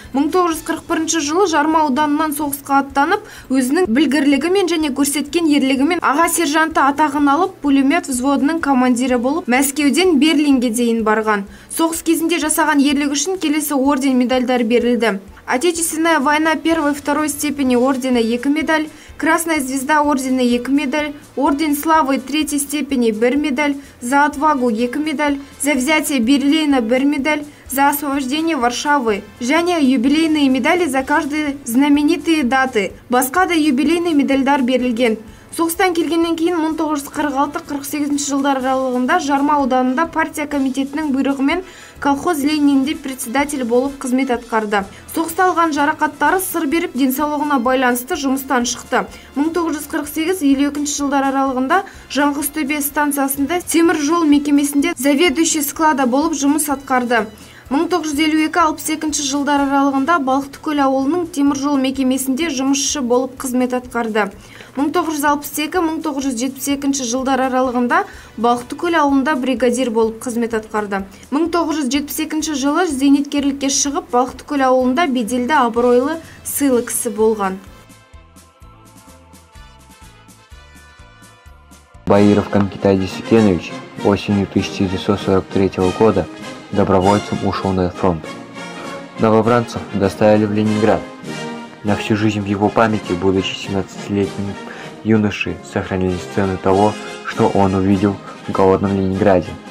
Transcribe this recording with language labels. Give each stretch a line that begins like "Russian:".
Kazakh: 1941 жылы Жарма ауданынан соғысқа аттанып, өзінің білгірлігімен және көрсеткен ерлігімен аға сержанты атағын алып, пулемет взводының командирі болып, Мәскеуден Берлинге дейін барған. Соғыс кезінде жасаған ерлігі үшін келесі орден медальдар берілді.
Russian: Отечественная война 1-2 степени ордена 2 медаль, Красная звезда ордена 2 медаль, Орден славы 3 степени 1 медаль, За отвагу 2 медаль, За взятие Берлина 1 медаль, За освобождение Варшавы. Және юбилейные медали за каждые знаменитые даты.
Kazakh: Басқа да юбилейный медальдар берілген. Соғыстан келгеннен кейін 1946-48 жылдар аралығында Жарма ауданында партия комитетінің бұйрығымен колхоз Ленинде председатель болып қызмет атқарды. Соғыста алған жарақаттары сыр беріп, денсаулығына байланысты жұмыстан шықты. 1948-52 жылдар аралығында Жаңғызтөбе станциясында темір жол мекемесінде заведующий склада болып жұмыс атқарды. 1952-62 жылдар аралығында Балықтыкөл ауылының темір жол мекемесінде жұмысшы болып қызмет атқарды. 1962-1972 жылдар аралығында Балықтыкөл ауылында бригадир болып қызмет атқарды. 1972 жылы зейнеткерлікке шығып, Балықтыкөл ауылында беделді абыройлы сыйлы кісі болған.
Russian: Баиров Камкитай Десекенович осенью 1943 года добровольцем ушел на фронт. Новобранцев доставили в Ленинград. На всю жизнь в его памяти, будучи 17-летним юношей, сохранились сцены того, что он увидел в голодном Ленинграде.